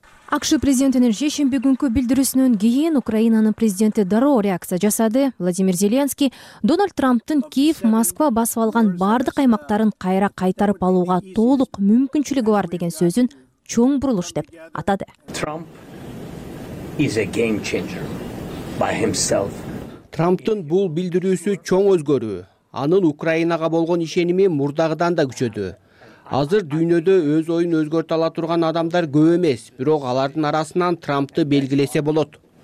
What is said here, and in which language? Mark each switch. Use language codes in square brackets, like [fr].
[ky] АКШ президентинин шешимби күнкү билдирүүсүнөн кийин Украинанын президенти дароо реакция жасады. Владимир Зеленский Дональд Трамптын Киев, Москва басып алган бардык аймактарын кайра кайтарып алууга толук мүмкүнчүлүгү бар деген сөзүн чоң бурулуш деп атады. [en] Trump is a game changer by himself. [ky] Трамптын бул билдирүүсү чоң өзгөрүү. Анын Украинага болгон ишеними мурдагыдан да күчөдү. Азыр дүйнөдө өз оюн өзгөртө ала турган адамдар көп эмес, бирок алардын арасынан Трампты белгилесе болот.